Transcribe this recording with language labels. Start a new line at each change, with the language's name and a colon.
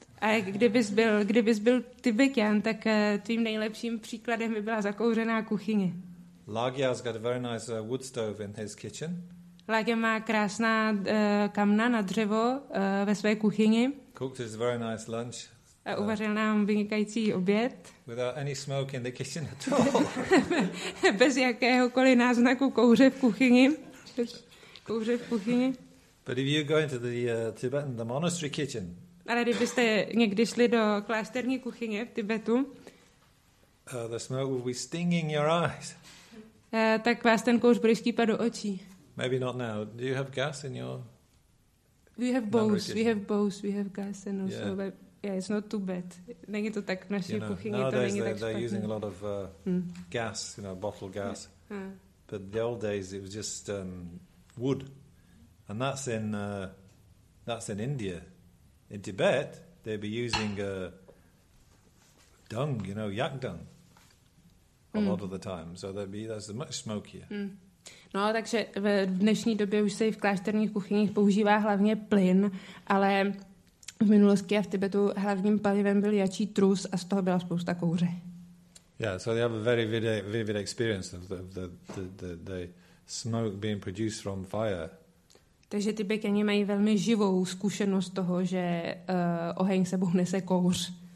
Czech: A kdybys byl Tibetan, tak tvým nejlepším příkladem by byla zakouřená kuchyně.
English: Lagia's got a very nice wood stove in his kitchen.
Czech: Lagia má krásná kamna na dřevo ve své kuchyni.
English: Cooked his very nice lunch.
Czech: A uvařil nám vynikající oběd.
English: Without any smoke in the kitchen at all.
Czech: Bez jakéhokoliv náznaku kouře v kuchyni. Kouře v kuchyni.
English: But if you go into the Tibetan, the monastery kitchen.
Czech: Ale kdybyste někdy šli do klášterní kuchyně v Tibetu.
English: The smoke will be stinging your eyes.
Czech: Tak vás ten kouř bude štípat do očí.
English: Maybe not now. Do you have gas in your? We have both. We have both. We have gas and also. Yeah, it's not too bad.
Czech: Není to tak v naší kuchyni, to není tak špatný.
English: They're using a lot of gas, you know, bottle gas. Yeah. But the old days it was just wood. And that's in India. In Tibet, they'd be using dung, you know, yak dung, a lot of the time. So that's much smokier. Mm.
Czech: No, takže v dnešní době už se v klášterních kuchyních používá hlavně plyn, ale v minulosti a v Tibetu hlavním palivem byl jačí trus a z toho byla spousta kouře.
English: Yeah, so they have a very vivid experience of the smoke being produced from fire.
Czech: Takže Tibetani mají velmi živou zkušenost toho, že oheň sebou nese kouř.